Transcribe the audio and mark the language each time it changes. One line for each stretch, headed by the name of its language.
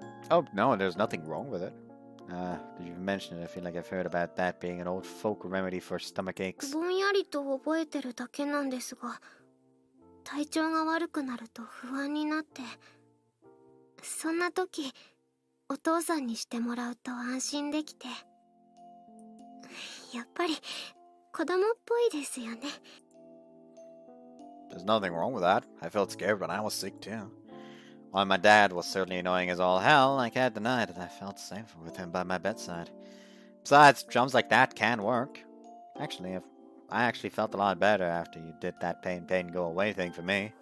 English: Oh, no, there's nothing wrong with it. Did you mention it? I feel like I've heard about that being an old folk remedy for stomach aches.
Japanese: ぼんやりと覚えてるだけなんですが 体調が悪くなると不安になって、そんな時お父さんにしてもらうと安心できて、やっぱり子供っぽいですよね。
English: There's nothing wrong with that. I felt scared when I was sick too. While my dad was certainly annoying as all hell, I can't deny that I felt safer with him by my bedside. Besides, jumps like that can work. Actually, I felt a lot better after you did that pain go away thing for me.